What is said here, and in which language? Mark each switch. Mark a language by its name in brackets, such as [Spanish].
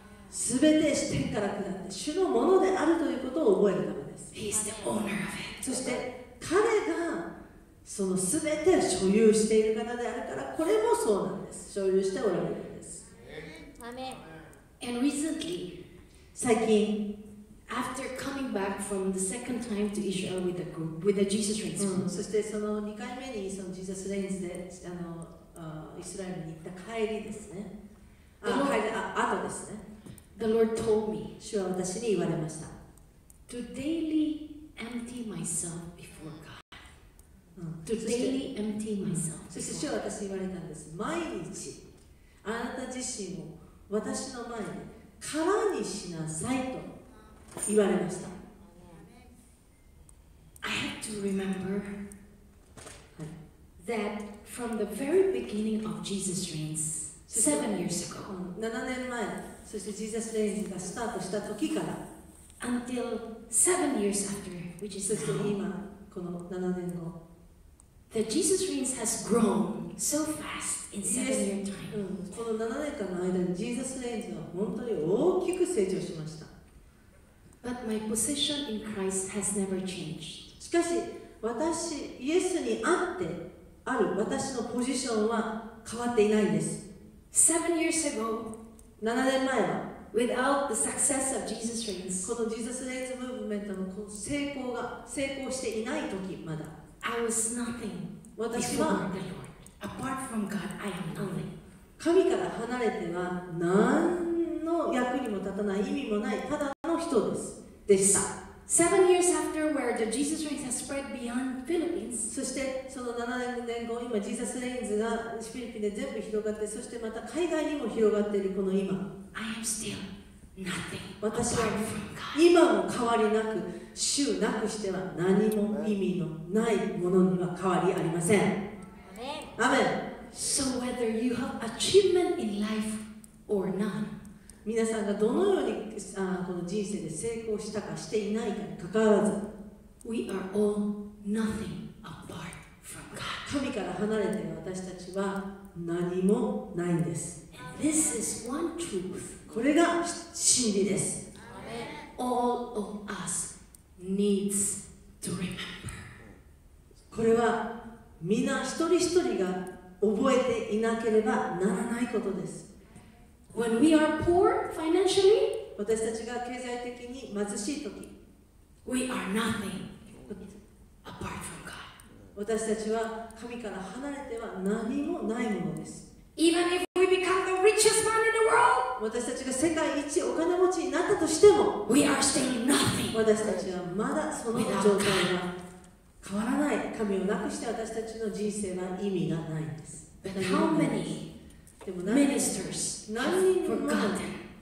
[Japanese] 全て天から下って主のものであるということを覚えるためです。 [English] He is the owner of it. [Japanese] そして彼がその全て所有している方であるから、これもそうなんです。所有しておられるんです。アメン。 [English] And recently, [Japanese] 最近 [English] after coming back from the second time to Israel with a group, with a Jesus Reigns group、うん、 [Japanese] そしてその2回目にその Jesus Reigns でイスラエルに行った帰りですね、後ですね、 [English] The Lord told me、 [Japanese] 主は私に言われました、 [English] To daily empty myself before God. To daily empty myself. [Japanese] そして主は私に言われたんです。毎日あなた自身を私の前に空にしなさいと言われました。 [English] I have to remember that from the very beginning of Jesus Reigns 7 years ago [Japanese] 7年前、そして Jesus Reigns がスタートした時から [English] until 7 years after, which is [Japanese] そして今この7年後、 [English] The Jesus Reigns has grown so fast in 7 years time. [Japanese] この7年間の間に Jesus Reigns は本当に大きく成長しました。 [English] But my position in Christ has never changed. [Japanese] しかし私イエスにあってある私のポジションは変わっていないんです。 [English] 7 years ago, [Japanese] 7年前は [English] without the success of Jesus Reigns, [Japanese] この Jesus Reigns Movement の成功していない時まだ。 [English] I was nothing. [Japanese] 私は [English] apart from God, I am nothing. [Japanese] 神から離れては何の役にも立たない意味もないただの人です。でした。 [English] 7 years after where the Jesus Reigns has spread beyond Philippines. [Japanese] そしてその7年後、今 Jesus Reigns がフィリピンで全部広がって、そしてまた海外にも広がっているこの今。 [English] I am still nothing. [Japanese] 私は今も変わりなく。主なくしては何も意味のないものには変わりありません。アメン。 [English] So whether you have achievement in life or not, [Japanese] 皆さんがどのようにこの人生で成功したかしていないかにかかわらず、 [English] We are all nothing apart from God. [Japanese] 神から離れて私たちは何もないんです。 [English] And this is one truth. [Japanese] これが真理です。アメン。 [English] All of usNeeds to remember. [Japanese] これはみんな一人一人が覚えていなければならないことです。 [English] When we are poor financially, [Japanese] 私たちが経済的に貧しい時、 [English] We are nothing apart from God. [Japanese] 私たちは神から離れては何もないものです。 [English] Even if we become the richest man in the world, [Japanese] 私たちが世界一お金持ちになったとしても、 [English] We are still nothing. [Japanese] 私たちはまだその状態が変わらない。神をなくして私たちの人生は意味がないんです。 [English] But how many ministers have forgotten?